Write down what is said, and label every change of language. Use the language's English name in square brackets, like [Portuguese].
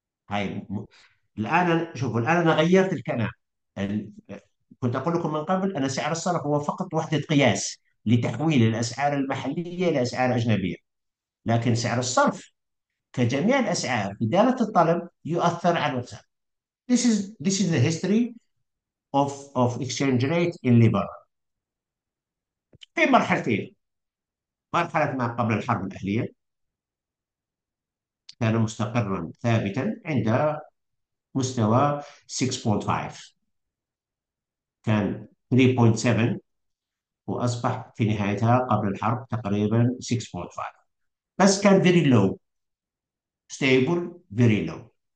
[Arabic] هاي الآن شوفوا، الآن أنا غيرت الكلام. كنت أقول لكم من قبل أن سعر الصرف هو فقط وحدة قياس لتحويل الأسعار المحلية إلى أسعار أجنبية، لكن سعر الصرف كجميع الأسعار في دالة الطلب يؤثر على الصرف. [English] This is the history of exchange rate in Liberia. [Arabic] في مرحلتين، مرحلة ما قبل الحرب الأهلية كان مستقرا ثابتا عند مستوى 6.5، كان 3.7 وأصبح في نهايتها قبل الحرب تقريبا 6.5، بس كان [English] very low stable very low.